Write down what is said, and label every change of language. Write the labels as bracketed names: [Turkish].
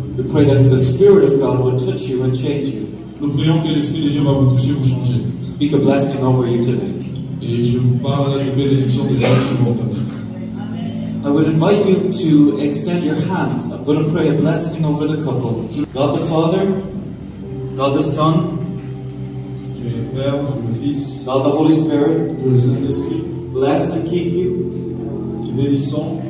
[English] Pray that the Spirit of God would touch you and change you. [French] Nous prions que l'Esprit de Dieu va vous toucher, vous changer. [English] Speak a blessing over you today. [French] Et je vous parle de bénédiction de Dieu sur votre vie. [English] I would invite you to extend your hands. I'm going to pray a blessing over the couple. God the Father, God the Son, [French] Dieu le Père, Dieu le Fils, [English] God the Holy Spirit, [French] Dieu le Saint-Esprit, [English] bless and keep you. [French] Dieu bénissant.